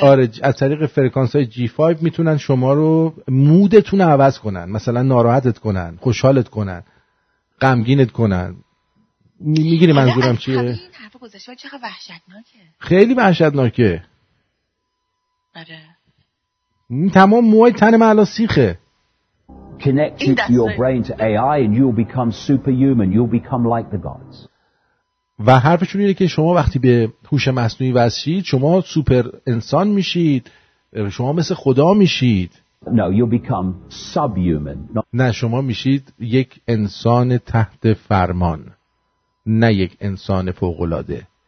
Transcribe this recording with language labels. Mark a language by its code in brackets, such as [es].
[fa] آره از طریق فرکانسای جی 5 میتونن شما رو مودتون رو عوض کنن، مثلا ناراحتت کنن، خوشحالت کنن، غمگینت کنن. میگیری منظورم چیه؟ این حرف گذشته چقدر وحشتناکه. خیلی وحشتناکه. آره تمام موهای تن من الان سیخه. [en] Connect your brain to AI and you'll become superhuman. You'll become like the gods. [fa] و حرفشون اینه که شما وقتی به هوش مصنوعی وصلید شما سوپر انسان میشید، شما مثل خدا میشید. [en] No, you'll become subhuman. [fa] نه شما میشید یک انسان تحت فرمان، نه یک انسان فوق‌العاده.